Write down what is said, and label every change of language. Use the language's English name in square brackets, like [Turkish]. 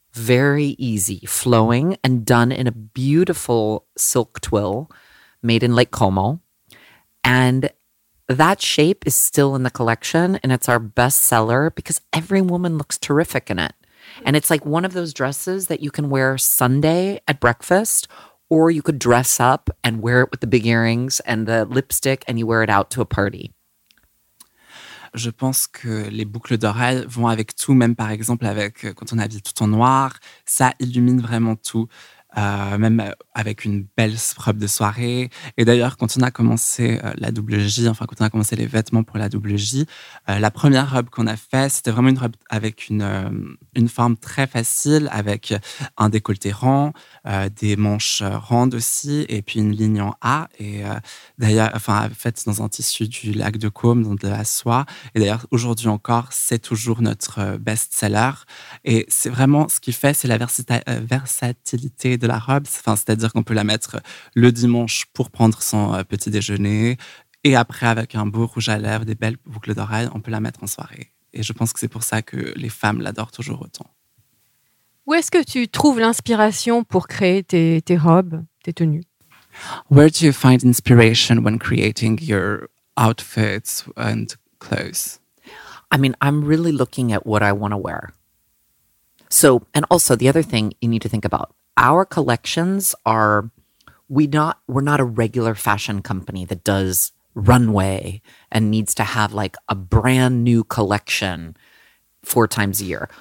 [English] Very easy, flowing, and done in a beautiful silk twill, made in Lake Como, and that shape is still in the collection, and it's our best seller because every woman looks terrific in it. And it's like one of those dresses that you can wear Sunday at breakfast, or you could dress up and wear it with the big earrings and the lipstick and you wear it out to a party. [French] Je pense que les boucles d'oreilles vont avec tout, même par exemple avec quand on habille tout en noir, ça illumine vraiment tout. Même avec une belle robe de soirée. Et d'ailleurs, quand on a commencé la double J, enfin, quand on a commencé les vêtements pour la double J, la première robe qu'on a fait, c'était vraiment une robe avec une forme très facile, avec un décolleté rond, des manches rondes aussi, et puis une ligne en A. Et d'ailleurs, enfin, en fait, dans un tissu du lac de Côme, dans de la soie. Et d'ailleurs, aujourd'hui encore, c'est toujours notre best-seller. Et c'est vraiment ce qui fait, c'est la versatilité de la robe, enfin, c'est-à-dire qu'on peut la mettre le dimanche pour prendre son petit déjeuner et après avec un beau rouge à lèvres, des belles boucles d'oreilles, on peut la mettre en soirée. Et je pense que c'est pour ça que les femmes l'adorent toujours autant. Où est-ce que tu trouves l'inspiration pour créer tes robes, tes tenues? [English] Where do you find inspiration when creating your outfits and clothes? I mean, I'm really looking at what I want to wear. So, and also the other thing you need to think about. Our collections are, we're not a regular fashion company that does runway and needs to have like a brand new collection four times a year.